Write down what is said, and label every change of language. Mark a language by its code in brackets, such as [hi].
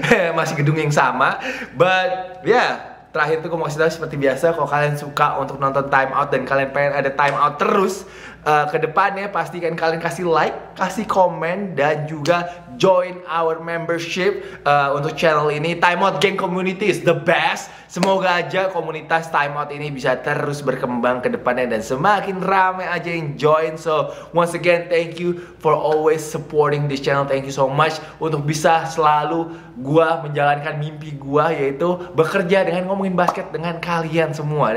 [id] Masih gedung yang sama. [en] But yeah, [id] terakhir tuh gue mau kasih tau seperti biasa, kalau kalian suka untuk nonton Time Out dan kalian pengen ada Time Out terus kedepannya, pastikan kalian kasih like, kasih komen, dan juga [en] join our membership [id] untuk channel ini. [en] Time Out Gang Community is the best. [id] Semoga aja komunitas Time Out ini bisa terus berkembang kedepannya dan semakin ramai aja yang join. [en] So once again thank you for always supporting this channel. Thank you so much [id] untuk bisa selalu gua menjalankan mimpi gua, yaitu bekerja dengan ngomongin basket dengan kalian semua.